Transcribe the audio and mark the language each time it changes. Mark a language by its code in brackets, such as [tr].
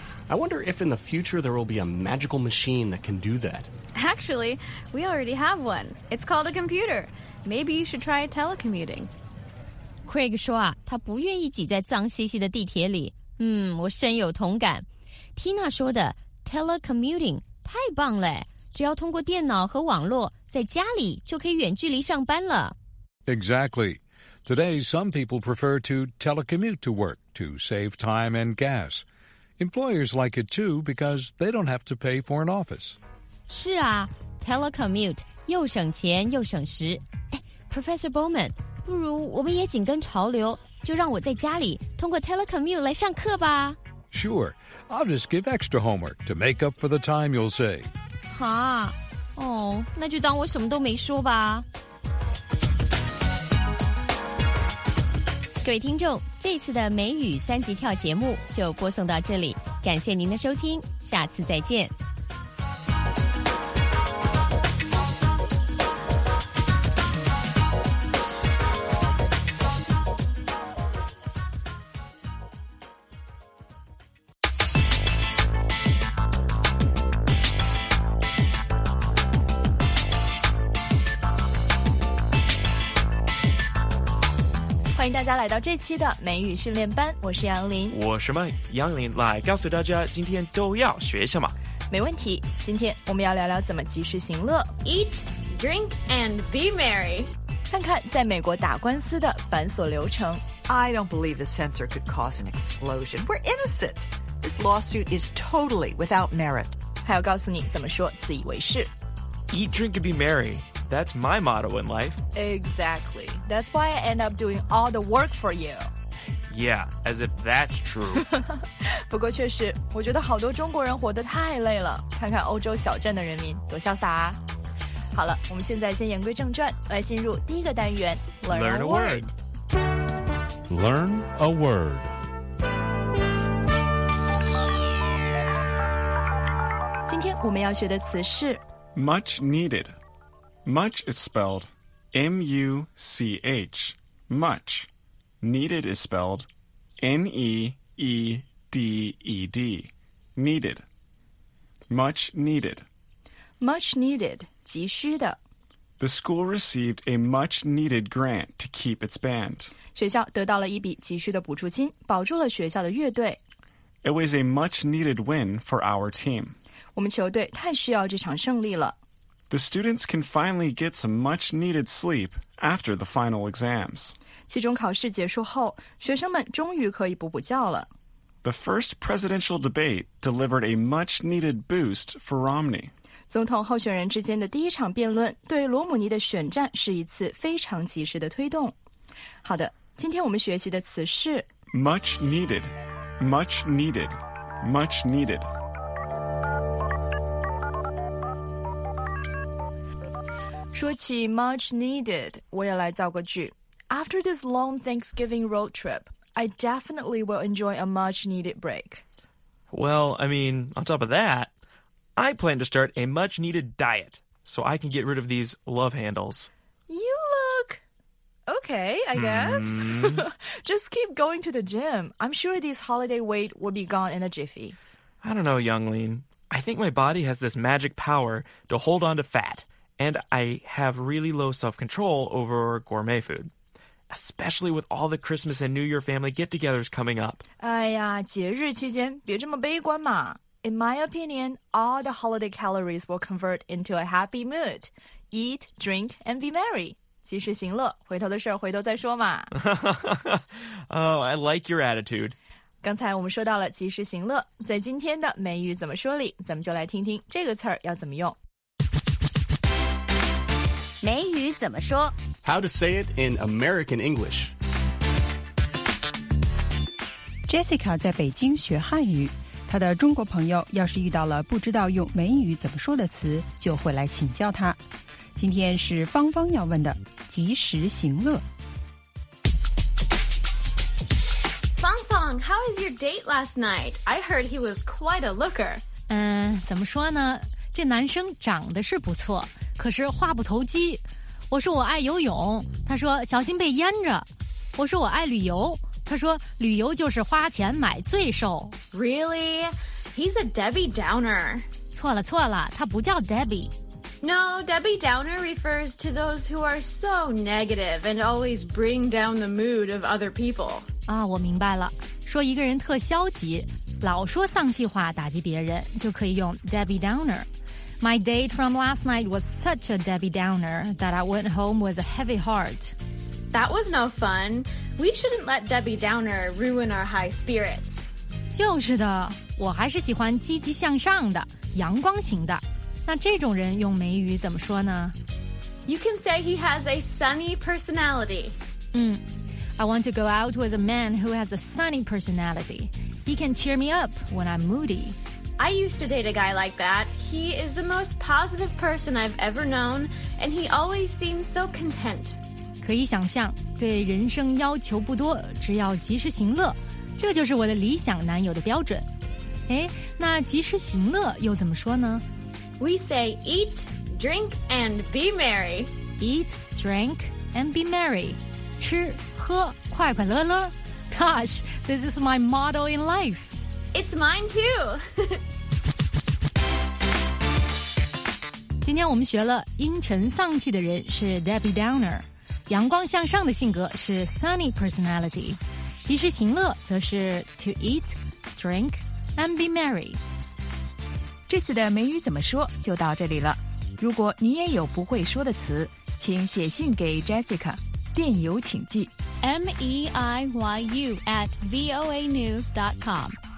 [en] I wonder if in the future there will be a magical machine that can do that. Actually, we already have one. It's called a computer. Maybe you should try telecommuting. [zh] Craig 说啊，他不愿意挤在脏兮兮的地铁里。我深有同感。Tina 说的 telecommuting 太棒了，只要通过电脑和网络，在家里就可以远距离上班了。 [en] Exactly. Today, some people prefer to telecommute to work to save time and gas. Employers like it too because they don't have to pay for an office. [zh] 是啊 ,telecommute, 又省钱又省时。哎 ,Professor Bowman, 不如我们也紧跟潮流，就让我在家里通过 telecommute 来上课吧。 [en] Sure, I'll just give extra homework to make up for the time you'll save. [zh] 哈哦那就当我什么都没说吧。各位听众，这次的美语三级跳节目就播送到这里，感谢您的收听，下次再见。欢迎大家来到这期的美语训练班，我是杨林。我是 Mike， 杨林来告诉大家今天都要学什么。没问题，今天我们要聊聊怎么及时行乐。 [en] Eat, drink, and be merry。 [zh] 看看在美国打官司的繁琐流程。 [en] I don't believe the censor could cause an explosion. We're innocent. This lawsuit is totally without merit. [zh] 还要告诉你怎么说自以为是。 [en] Eat, drink, and be merry. That's my motto in life. Exactly. That's why I end up doing all the work for you. Yeah, as if that's true. [zh] 不过确实，我觉得好多中国人活得太累了。看看欧洲小镇的人民多潇洒啊！好了，我们现在先言归正传，来进入第一个单元 [en] ，Learn a word. Learn a word. [zh] 今天我们要学的词是。 [en] Much needed. Much is spelled M-U-C-H. Much. Needed is spelled N-E-E-D-E-D. Needed. Much needed. Much needed. [zh] 急需的。 [en] The school received a much needed grant to keep its band. [zh] 学校得到了一笔急需的补助金，保住了学校的乐队。 [en] It was a much needed win for our team. [zh] 我们球队太需要这场胜利了。 [en] The students can finally get some much-needed sleep after the final exams. [zh] 期中考试结束后，学生们终于可以补补觉了。 [en] The first presidential debate delivered a much-needed boost for Romney. [zh] 总统候选人之间的第一场辩论对罗姆尼的选战是一次非常及时的推动。好的，今天我们学习的词是 [en] much-needed, much-needed, much-needed. [zh] 说起 [en] much needed, [zh] 我也来造个句。 [en] After this long Thanksgiving road trip, I definitely will enjoy a much needed break. Well, I mean, on top of that, I plan to start a much needed diet so I can get rid of these love handles. You look okay, I guess. Just keep going to the gym. I'm sure this holiday weight will be gone in a jiffy. I don't know, Youngling. I think my body has this magic power to hold on to fat. And I have really low self-control over gourmet food, especially with all the Christmas and New Year family get-togethers coming up. [zh] 哎呀，节日期间别这么悲观嘛。 [en] In my opinion, all the holiday calories will convert into a happy mood. Eat, drink, and be merry. [zh] 及时行乐，回头的事儿回头再说嘛。 [en] Oh, I like your attitude. [zh] 刚才我们说到了及时行乐，在今天的美语怎么说里，咱们就来听听这个词儿要怎么用。美语怎么说 [en] How to say it in American English. [zh] Jessica 在北京学汉语，她的中国朋友要是遇到了不知道用美语怎么说的词，就会来请教她。今天是芳芳要问的，及时行乐。 [en] 芳芳 how was your date last night? I heard he was quite a looker. [zh] 怎么说呢？这男生长得是不错。可是话不投机，我说我爱游泳，他说小心被淹着。我说我爱旅游，他说旅游就是花钱买罪受。 [en] Really? He's a Debbie Downer. [zh] 错了错了，他不叫 Debbie. [en] No, Debbie Downer refers to those who are so negative and always bring down the mood of other people. [zh] 啊，我明白了，说一个人特消极，老说丧气话打击别人，就可以用 Debbie Downer. [en] My date from last night was such a Debbie Downer that I went home with a heavy heart. That was no fun. We shouldn't let Debbie Downer ruin our high spirits. [zh] 就是的，我还是喜欢积极向上的，阳光型的。那这种人用美语怎么说呢？ [en] You can say he has a sunny personality. I want to go out with a man who has a sunny personality. He can cheer me up when I'm moody. I used to date a guy like that. He is the most positive person I've ever known, and he always seems so content. [zh] 可以想象，对人生要求不多，只要及时行乐，这就是我的理想男友的标准。哎，那及时行乐又怎么说呢？ [en] We say eat, drink, and be merry. Eat, drink, and be merry. [zh] 吃喝快快乐乐。 [en] Gosh, this is my motto in life. It's mine too. [zh] 今天我们学了阴沉丧气的人是 Debbie Downer. 阳光向上的性格是 sunny personality， 及时行乐则是 [en] to eat, drink, and be merry。 [zh] 这次的美语怎么说就到这里了，如果你也有不会说的词，请写信给 Jessica， 电邮请寄 meiyu@voanews.com。